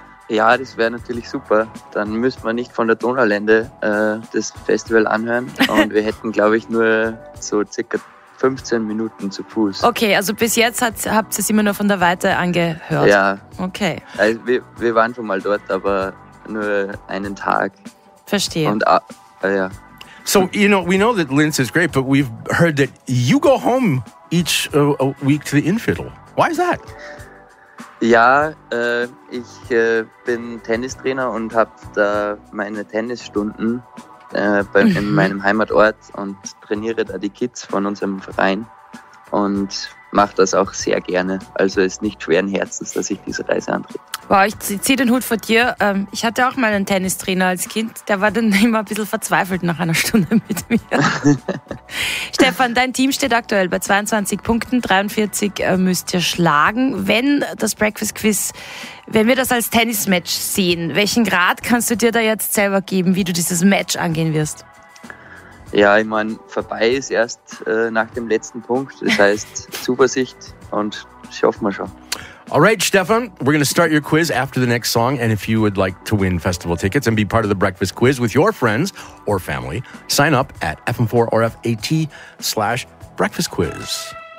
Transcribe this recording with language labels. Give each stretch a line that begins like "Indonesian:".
German: Ja, das wäre natürlich super. Dann müsste man nicht von der Donaulände das Festival anhören. Und wir hätten, glaube ich, nur so circa 15 Minuten zu Fuß. Okay, also bis jetzt habt ihr es immer nur von der Weite angehört. Ja. Okay. Also wir waren schon mal dort, aber nur einen Tag. Verstehe. Und ja.
English: So, you know, we know that Linz is great, but we've heard that you go home each week to the Innviertel. Why is that?
German: Ja, ich bin Tennistrainer und habe da meine Tennisstunden in meinem Heimatort und trainiere da die Kids von unserem Verein und mache das auch sehr gerne. Also ist nicht schweren Herzens, dass ich diese Reise antrete. Wow, ich ziehe den Hut vor dir. Ich hatte auch mal einen Tennistrainer als Kind. Der war dann immer ein bisschen verzweifelt nach einer Stunde mit mir. Stefan, dein Team steht aktuell bei 22 Punkten. 43 müsst ihr schlagen. Wenn das Breakfast Quiz, wenn wir das als Tennismatch sehen, welchen Grad kannst du dir da jetzt selber geben, wie du dieses Match angehen wirst? Ja, ich meine, vorbei ist erst nach dem letzten Punkt. Das heißt, Zuversicht und ich hoffe mal schon.
English: All right, Stefan, we're going to start your quiz after the next song. And if you would like to win festival tickets and be part of the breakfast quiz with your friends or family, sign up at fm4rf.at/breakfastquiz.